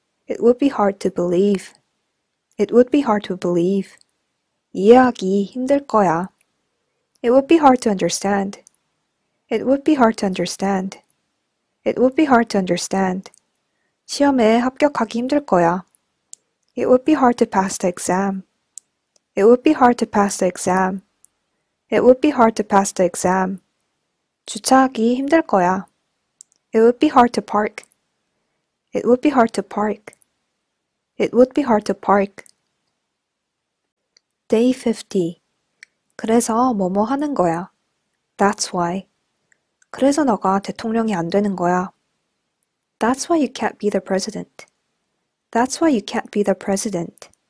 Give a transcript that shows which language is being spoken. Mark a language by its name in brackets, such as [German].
[English] It would be hard to believe. It would be hard to believe. [Korean] 이해하기 힘들 거야. [English] It would be hard to understand. It would be hard to understand. It would be hard to understand. [Korean] 시험에 합격하기 힘들 거야. [English] It would be hard to pass the exam. It would be hard to pass the exam. It would be hard to pass the exam. [Korean] 주차하기 힘들 거야. [English] It would be hard to park. It would be hard to park. It would be hard to park. Day 50. [Korean] 그래서 뭐뭐 하는 거야? [English] That's why. [Korean] 그래서 너가 대통령이 안 되는 거야? [English] That's why you can't be the president. That's why you can't be the president.